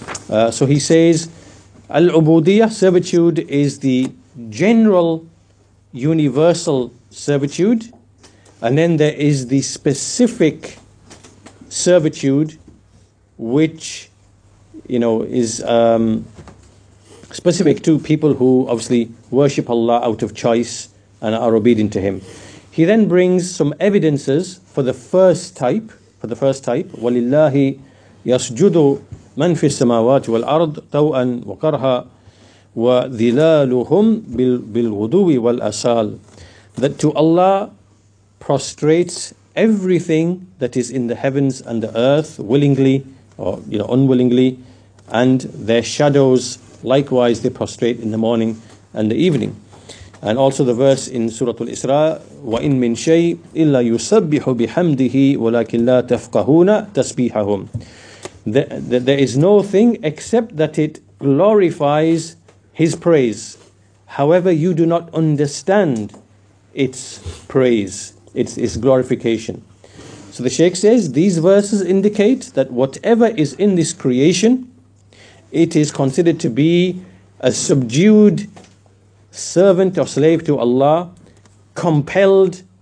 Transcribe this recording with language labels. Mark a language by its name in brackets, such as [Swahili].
[English] So he says, Al-ubudiyah, servitude, is the general, universal servitude. And then there is the specific servitude, which, you know, is specific to people who obviously worship Allah out of choice and are obedient to Him. He then brings some evidences for the first type, [Arabic] وَلِلَّهِ يَسْجُدُ مَنْ فِي السَّمَاوَاتِ وَالْأَرْضِ طَوْءًا وَكَرْهًا وَذِلَالُهُمْ بِالْغُدُوِّ وَالْأَصَالِ. [English] That to Allah prostrates everything that is in the heavens and the earth willingly or unwillingly, and their shadows likewise they prostrate in the morning and the evening. And also the verse in Surah Al-Isra, [Arabic] وَإِنْ مِنْ شَيْءٍ إِلَّا يُسَبِّحُ بِحَمْدِهِ وَلَكِنْ لَا تَفْقَهُونَ تَسْبِيحَهُمْ. [English] There is no thing except that it glorifies His praise. However, you do not understand its praise, its glorification. So the Shaykh says, these verses indicate that whatever is in this creation, it is considered to be a subdued servant or slave to Allah, compelled.